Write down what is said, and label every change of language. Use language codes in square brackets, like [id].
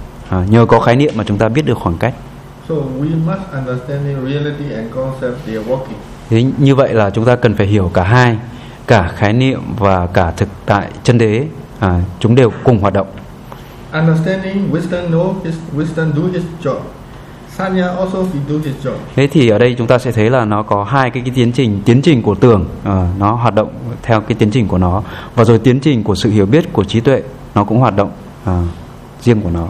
[vi] Nhờ có khái niệm mà chúng ta biết được khoảng cách. [en] So we must understand reality and concept, they are working. [vi] Thế như vậy là chúng ta cần phải hiểu cả hai, cả khái niệm và cả thực tại chân đế, chúng đều cùng hoạt động. [en] Understanding wisdom, know his wisdom, do his job. Sanya also he do his job. [vi] Thế thì ở đây chúng ta sẽ thấy là nó có hai cái tiến trình của tưởng, nó hoạt động theo cái tiến trình của nó, và rồi tiến trình của sự hiểu biết, của trí tuệ, nó cũng hoạt động riêng của nó.